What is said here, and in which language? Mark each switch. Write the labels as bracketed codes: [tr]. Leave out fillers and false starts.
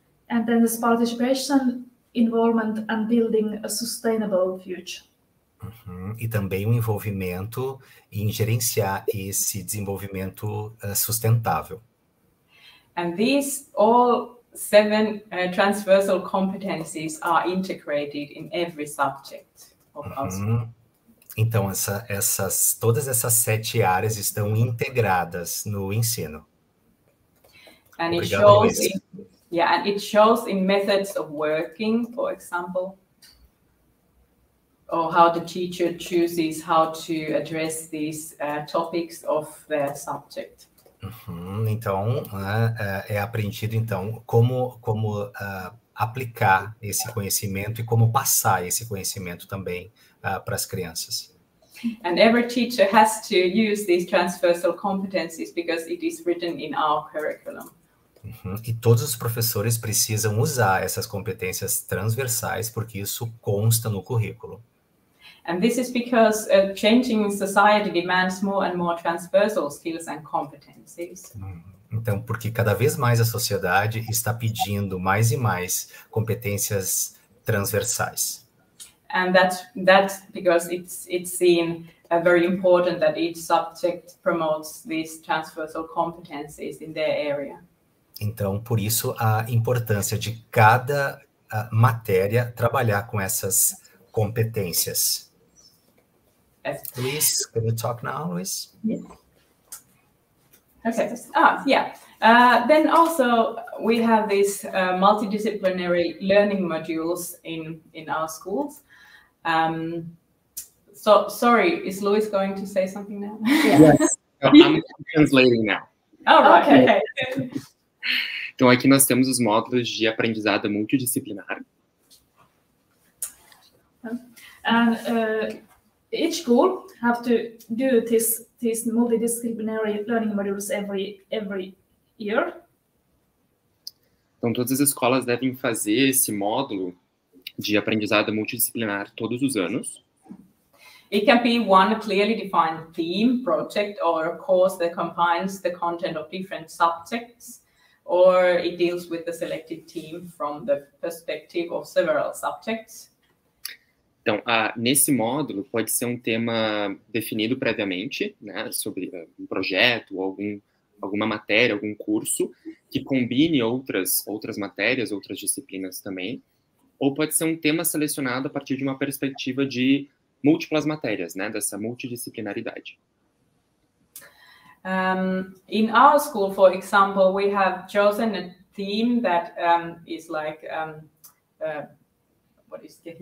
[en] And then there's participation, involvement and building a sustainable future. [pt] E também o envolvimento em gerenciar esse desenvolvimento sustentável. [en] And these all 7 transversal competencies are integrated in every subject of our. [pt] Então todas essas 7 áreas estão integradas no ensino. [en] And it shows and it shows in methods of working, for example. Or how the teacher chooses how to address these topics of their subject. [pt] Então, é aprendido, então, como aplicar esse conhecimento e como passar esse conhecimento também para as crianças. [en] And every teacher has to use these transversal competencies because it is written in our curriculum. [pt] E todos os professores precisam usar essas competências transversais porque isso consta no currículo. [en] And this is because changing society demands more and more transversal skills and competencies. [pt] Então, porque cada vez mais a sociedade está pedindo mais e mais competências transversais. [en] And that's because it's seen a very important that each subject promotes these transversal competencies in their area. [pt] Então, por isso a importância de cada matéria trabalhar com essas competências. [en] Luis, can you talk now, Luis? Yes. Okay. Then also we have these multidisciplinary learning modules in our schools, So, sorry, is Luis going to say something now? Yes, I'm translating now. Oh, right. Okay. [pt] Então, aqui nós temos os módulos de aprendizado multidisciplinar. [en] And each school have to do this multidisciplinary learning modules every year. [pt] Então, todas as escolas devem fazer esse módulo de aprendizado multidisciplinar todos os anos. [en] It can be one clearly defined theme, project or course that combines the content of different subjects, or it deals with the selected team from the perspective of several subjects. [pt] Então, nesse módulo pode ser um tema definido previamente, né, sobre um projeto ou alguma matéria, algum curso que combine outras matérias, outras disciplinas também, ou pode ser um tema selecionado a partir de uma perspectiva de múltiplas matérias, né, dessa multidisciplinaridade. [en] In our school, for example, we have chosen a theme that is like what is